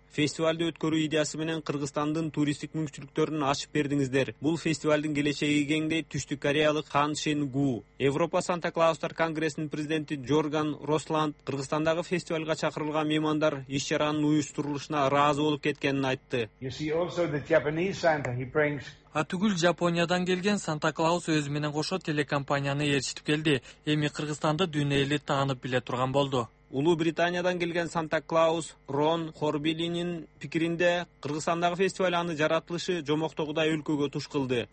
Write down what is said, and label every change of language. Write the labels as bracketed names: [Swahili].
[Kyrgyz] Фестивалды өткөрүү идеясы менен Кыргызстандын туристтик мүмкүнчүлүктөрүн ачып бердиңиздер. Бул фестивалдын келечеги кеңдейт, Түштүк Кореялык Хан Шин Гу. Европа Санта Клаустар конгрессинин президенти Жорган Росланд Кыргызстандагы фестивалга чакырылган меймандар иш чаранын уюштурулушуна ыраазы болуп кеткенин айтты. [English] You see also the Japanese Santa he brings. [Kyrgyz] Атүгүл Жапониядан келген Санта Клаус өзү менен кошо телекомпанияны ээрчитип келди. Эми Кыргызстанды дүйнө эли таанып биле турган болду. Улуу Британиядан келген Санта Клаус Рон Хорбилинин пикиринде Кыргызстандагы фестиваль анын жаратылышы жомоктогудай өлкөгө туш кылды.